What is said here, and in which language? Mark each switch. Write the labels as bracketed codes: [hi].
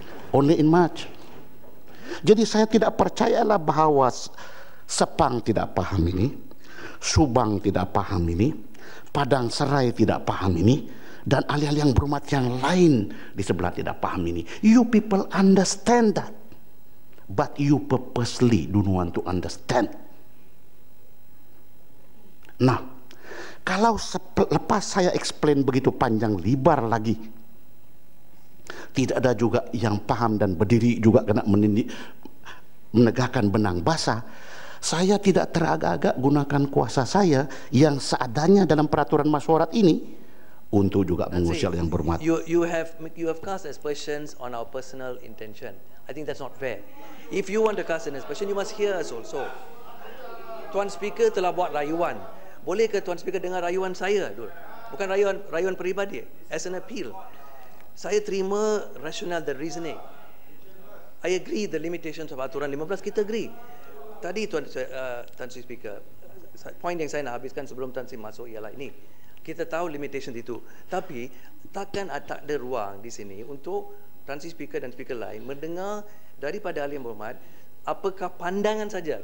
[en] Only in March. [ms] Jadi saya tidak percayalah bahwa Sepang tidak paham ini, Subang tidak paham ini, Padang Serai tidak paham ini, dan ahli-ahli yang berhormat yang lain di sebelah tidak paham ini. [en] You people understand that, but you purposely don't want to understand. [ms] Nah, kalau lepas saya explain begitu panjang lebar lagi, tidak ada juga yang paham dan berdiri juga kena menegakkan benang basah, saya tidak teragak-agak gunakan kuasa saya yang seadanya dalam peraturan masyarakat ini untuk juga mengusil yang bermuat. [en] You have cast aspersions on our personal intention. I think that's not fair. If you want to cast an aspersion, you must hear us also. [ms] Tuan Speaker telah buat rayuan. Bolehkah Tuan Speaker dengar rayuan saya dulu? Bukan rayuan peribadi. [en] As an appeal. [ms] Saya terima rasional, [en] the reasoning. I agree the limitations of [ms] aturan 15, kita [en] agree. [ms] Tadi Tuan Speaker, point yang saya nak habiskan sebelum Tuan Speaker masuk ialah ini. Kita tahu limitations itu, tapi takkan tak ada ruang di sini untuk Tuan Speaker dan speaker lain mendengar daripada ahli yang berhormat apakah pandangan saja.